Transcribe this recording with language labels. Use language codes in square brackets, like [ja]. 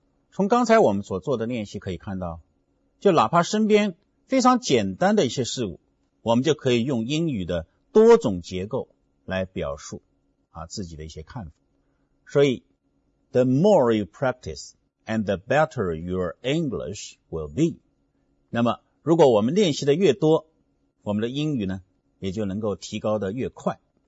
[zh] 从刚才我们所做的练习可以看到，就哪怕身边非常简单的一些事物，我们就可以用英语的多种结构来表述啊自己的一些看法。所以 [en] ,the more you practice and the better your English will be. [zh] 那么如果我们练习的越多，我们的英语呢也就能够提高的越快。